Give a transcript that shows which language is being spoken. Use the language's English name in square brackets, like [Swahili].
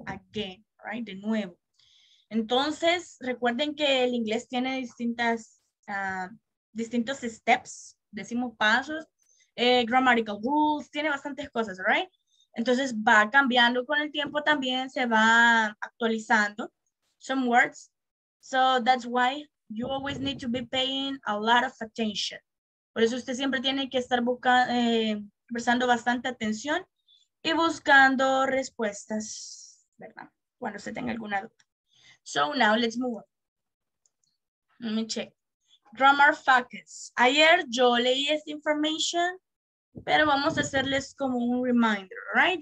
[English] Again, right? [Spanish] De nuevo. Entonces, recuerden que el inglés tiene distintas, distintos steps, decimos pasos, [English] grammatical rules, [Spanish] tiene bastantes cosas, right? Entonces, va cambiando con el tiempo también, se va actualizando [English] some words. So, that's why you always need to be paying a lot of attention. [Spanish] Por eso usted siempre tiene que estar buscando, prestando bastante atención y buscando respuestas, ¿verdad? Cuando usted tenga alguna duda. [English] So now let's move on. Let me check. Grammar facts. [Spanish] Ayer yo leí esta información, pero vamos a hacerles como un reminder, right?